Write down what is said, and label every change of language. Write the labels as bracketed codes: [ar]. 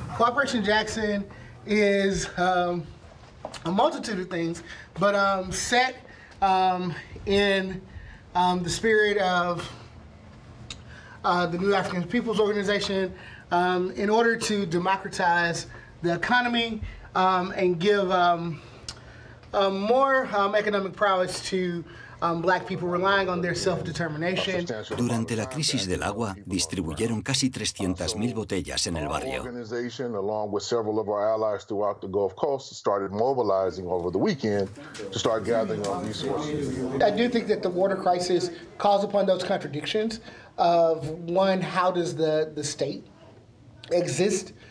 [en] Cooperation Jackson is a multitude of things, but set in the spirit of the New African People's Organization, in order to democratize the economy and give more economic prowess to black people relying on their self-determination. [es] Durante la crisis del agua, distribuyeron casi 300,000 botellas en el barrio. [en] Our organization, along with several of our allies throughout the Gulf Coast, started mobilizing over the weekend to start gathering our resources. I do think that the water crisis calls upon those contradictions of, one, how does the state exist?